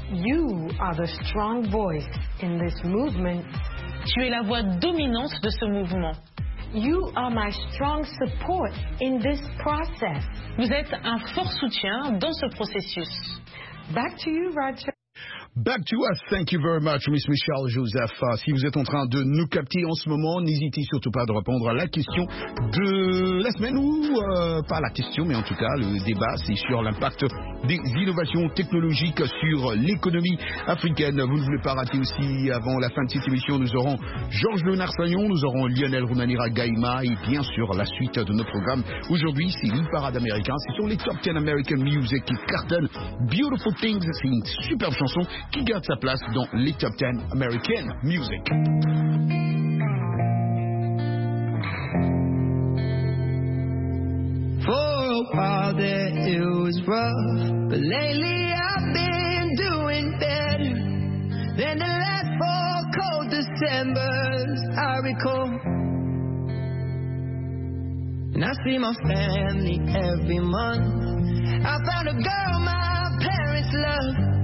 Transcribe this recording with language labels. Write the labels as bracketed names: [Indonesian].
[English] You are the strong voice in this movement. [French] Tu es la voix dominante de ce mouvement. [English] You are my strong support in this process. [French] Vous êtes un fort soutien dans ce processus. [English] Back to you, Roger. Back to us. Thank you very much, Miss Michelle Joseph. [French] Si vous êtes en train de nous capter en ce moment, n'hésitez surtout pas de répondre à la question de la semaine ou pas la question, mais en tout cas, le débat, c'est sur l'impact des innovations technologiques sur l'économie africaine. Vous ne voulez pas rater aussi, avant la fin de cette émission, nous aurons Georges Léonard Sagnon, nous aurons Lionel Roumanira Gaïma et bien sûr la suite de nos programmes. Aujourd'hui, c'est une parade américaine. Ce sont les Top 10 American Music qui cartonnent Beautiful Things. C'est une superbe chanson qui garde sa place dans les Top 10 American Music. [English] For a while there it was rough, but lately I've been doing better than the last four cold Decembers I recall. And I see my family every month. I found a girl my parents love.